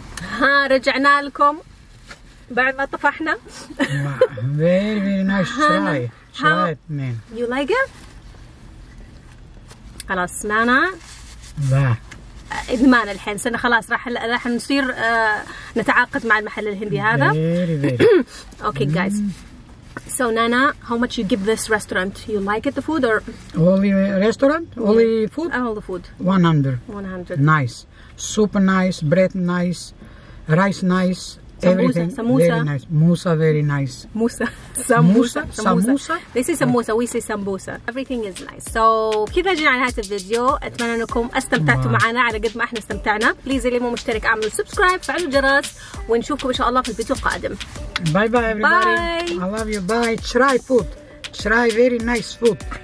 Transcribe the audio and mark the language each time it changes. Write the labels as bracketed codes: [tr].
[ar] ها رجعنا لكم بعد ما طفحنا. [en] Very very nice try. Try it, man. You like it? [ar] خلاص نانا. لا. إدمان الحين سنة خلاص راح نصير نتعاقد مع المحل الهندي هذا. [en] Very very. Okay guys. So Nana, how much you give this restaurant? You like it, the food or? Only restaurant? Only food? All the food. 100. 100. Nice. Super nice. Bread nice. Rice nice. Samosa. Everything. Samosa. Very nice. Musa very nice. Musa. Samosa. This is samosa. We say sambosa. Everything is nice. [ar] So كذا جينا على هذا الفيديو. أتمنى أنكم استمتعتوا معنا على قد ما إحنا استمتعنا. Please اللي مو مشترك اعملوا سبسكرايب، فعلوا الجرس، ونشوفكم إن شاء الله في الفيديو القادم. [en] Bye bye everybody. Bye. I love you. Bye. Try food. Try very nice food.